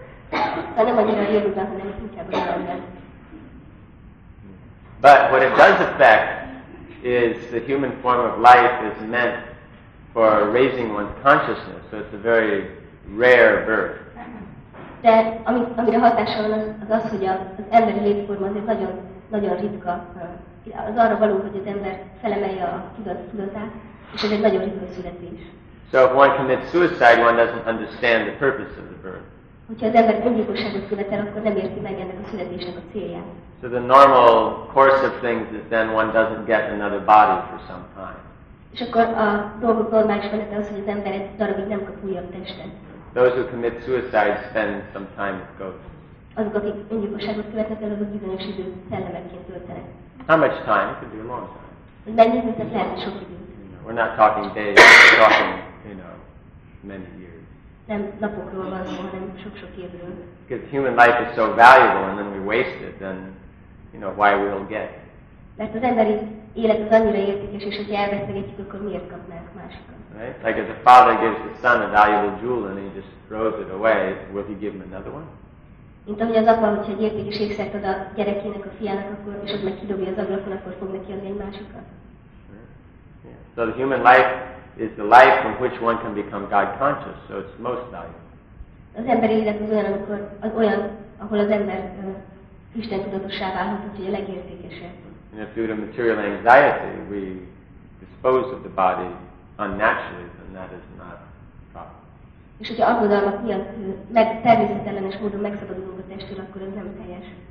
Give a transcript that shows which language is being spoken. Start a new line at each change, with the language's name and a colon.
English: But what it does affect is the human form of life is meant for raising one's consciousness, so it's a very rare birth.
Hungarian: De amire hatása van az az, hogy az emberi létforma azért nagyon, nagyon ritka. Az arra való, hogy az ember felemelje a tudatát, és ez egy nagyon ritka születés.
English: So if one commits suicide, one doesn't understand the purpose of the birth.
Hungarian: Hogyha az ember öngyilkosságot követel, akkor nem érti meg ennek a születésnek a célját.
English: So the normal course of things is then one doesn't get another body for some time.
Hungarian: És akkor a dolgok normális menete az, hogy az ember egy darabig nem kap újabb testet.
English: Those who commit suicide spend some time with ghosts.
Hungarian: Azok, akik öngyilkosságot követnek el, azok bizonyos időt szellemekként töltenek.
English: How much time? It could be a long time.
Hungarian: Mennyi időt, ez lehet sok időt.
English: We're not talking days, we're talking, you know, many years.
Hungarian: Nem napokról van szó, hanem sok-sok évről.
English: Because human life is so valuable and then we waste it, then, you know, why we'll get.
Hungarian: Mert az emberi élet az annyira értékes, és hogyha elvesztegetjük, akkor miért kapnánk másikat?
English: Right? Like if the father gives the son a valuable jewel and he just throws it away, will he give him another one?
Hungarian: Mint ahogy az apa, hogyha egy értékes ékszert ad a gyerekének, a fiának, akkor, és ott meg kidobja az ablakon, akkor fog neki adni egy másikat.
English: So the human life is the life from which one can become God conscious, so it's most valuable.
Hungarian: Az emberi élet az olyan, amikor, az olyan, ahol az ember Isten tudatossá válhat, úgyhogy a legértékesebb.
English: And if due to material anxiety we dispose of the body unnaturally, then that is not proper.
Hungarian: És hogyha aggodalmak miatt természetellenes módon megszabadulunk a testtől, akkor ez nem teljes.